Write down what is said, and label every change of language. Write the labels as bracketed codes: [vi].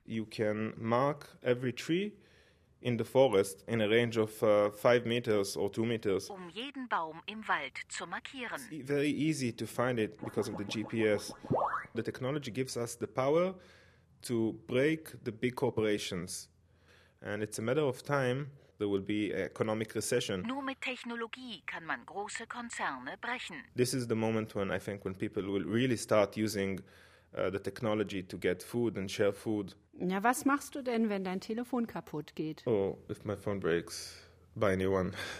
[en] You can mark every tree in the forest in a range of 5 meters or 2 meters. [de] Um jeden Baum im Wald zu markieren. [en] It's very easy to find it because of the GPS. The technology gives us the power to break the big corporations. And it's a matter of time, there will be an economic recession. [de] Nur mit Technologie kann man große Konzerne brechen. [en] This is the moment when I think when people will really start using the technology to get food and share food. [de] Na, was machst du denn, wenn dein Telefon kaputt geht? [en] Oh, if my phone breaks, buy a new one.